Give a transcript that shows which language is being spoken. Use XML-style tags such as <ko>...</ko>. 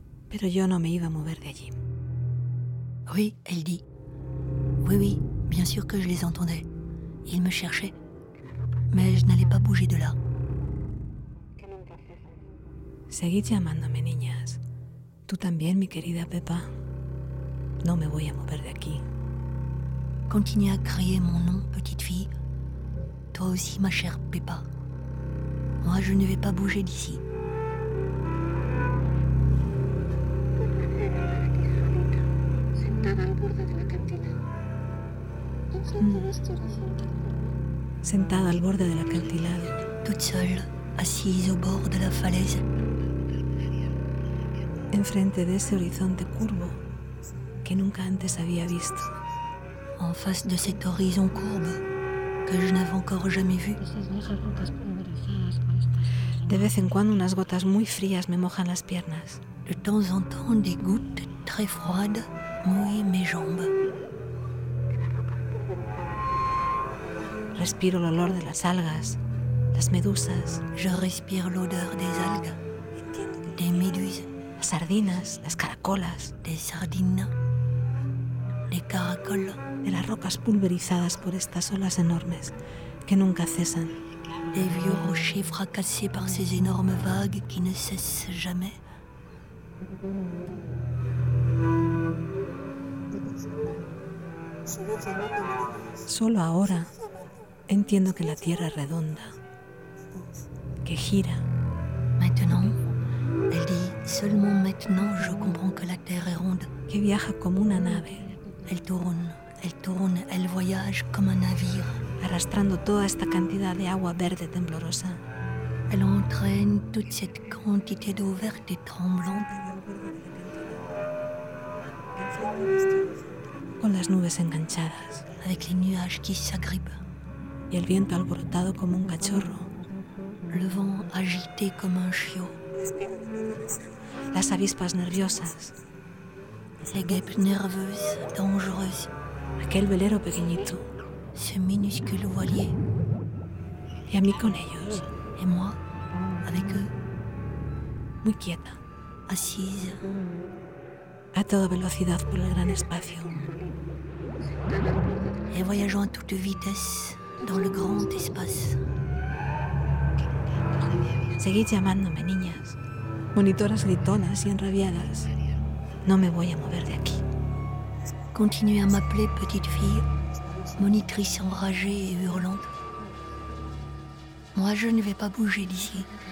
<es>Pero yo no me iba a mover de allí.</es> <fr>Oui, elle dit. Oui, oui, bien sûr que je les entendais. Ils me cherchaient. Mais je n'allais pas bouger de là.</fr> <es>Seguid llamándome, niñas. Tú también, mi querida Pepa. No me voy a mover de aquí.</es> <fr>Continuez à crier mon nom, petite fille. Toi aussi, ma chère Pepa. Moi, je ne vais pas bouger d'ici.</fr> <es>Sentada al borde del acantilado.</es> <fr>Toute seule, assise au bord de la falaise.</fr> <es>Enfrente de ese horizonte curvo que nunca antes había visto.</es> <fr>En face de cet horizon courbe que je n'avais encore jamais vu.</fr> <es>De vez en cuando unas gotas muy frías me mojan las piernas.</es> <fr>De temps en temps des gouttes très froides mouillent mes jambes.</fr> <es>Respiro el olor de las algas, las medusas.</es> <fr>Je respire l'odeur des algues, des méduses.</fr> <es>Las sardinas, las caracolas.</es> <fr>Des sardines, des caracoles.</fr> <es>De las rocas pulverizadas por estas olas enormes que nunca cesan.</es> <fr>Des vieux rochers fracassés par ces énormes vagues qui ne cessent jamais.</fr> <es>Solo ahora entiendo que la Tierra es redonda, que gira.</es> <fr>Maintenant, elle dit, seulement maintenant je comprends que la Terre est ronde.</fr> <es>Que viaja como una nave.</es> <fr>Elle tourne, elle tourne, elle voyage comme un navire.</fr> <es>Arrastrando toda esta cantidad de agua verde temblorosa.</es> <fr>Elle entraîne toute cette quantité d'eau verte et tremblante.</fr> <es>Con las nubes enganchadas.</es> <fr>Avec les nuages qui s'agrippent.</fr> <es>Y el viento alborotado como un cachorro.</es> <fr>Le vent agité comme un chiot.</fr> <es>Las avispas nerviosas.</es> <fr>Les guêpes nerveuses, dangereuses.</fr> <es>Aquel velero pequeñito.</es> <fr>Ce minuscule voilier.</fr> <es>Y a mí con ellos.</es> <fr>Et moi, avec eux.</fr> <es>Muy quieta.</es> <fr>Assise.</fr> <es>A toda velocidad por el gran espacio.</es> <fr>Y voyageant a toute vitesse. Dans le grand espace.</fr> <es>Seguid llamándome, niñas. Monitoras gritonas y enrabiadas. No me voy a mover de aquí.</es> <fr>Continuez à m'appeler, petite fille. Monitrice enragée et hurlante. Moi, je ne vais pas bouger d'ici.</fr>